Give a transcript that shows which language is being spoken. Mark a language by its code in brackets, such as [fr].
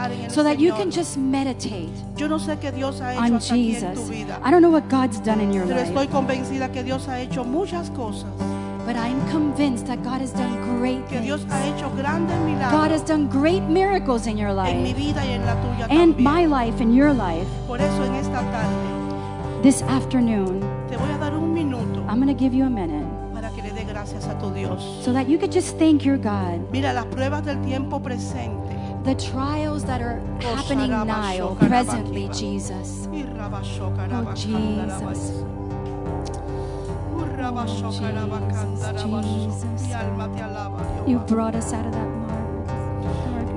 [en] So that you can just meditate on Jesus. I don't know what God's done in your life. But I am convinced that God has done great things. [es] Que Dios ha hecho grandes milagros. [en] God has done great miracles in your life. [es] En mi vida y en la tuya también. [en] And my life and your life. [es] Por eso en esta tarde, [en] this afternoon, [es] te voy a dar un minuto, [en] I'm going to give you a minute [es] para que le dé gracias a tu Dios. [en] So that you could just thank your God. [es] Mira, las pruebas del tiempo presente. [en] The trials that are happening now, presently, Jesus. Oh, Jesus. Jesus, Jesus. You brought us out of that mud.